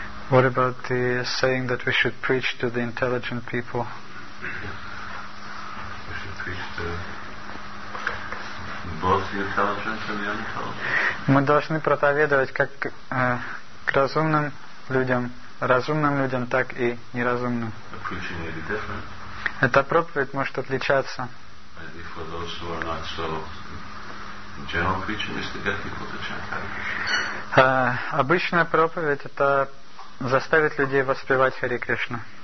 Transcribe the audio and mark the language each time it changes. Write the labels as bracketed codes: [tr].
[en] What about the saying that we should preach to the intelligent people? Yeah. We should preach to both the intelligent and the unintelligent. [ru] Мы должны проповедовать как к разумным людям, разумным людям, так и неразумным. [en] The preaching may be different. [ru] Эта проповедь может отличаться. [en] Maybe for those who are not so. General preaching is to get people to chant Hare Krishna. [ru] Обычная проповедь — это заставить людей воспевать Харе Кришна.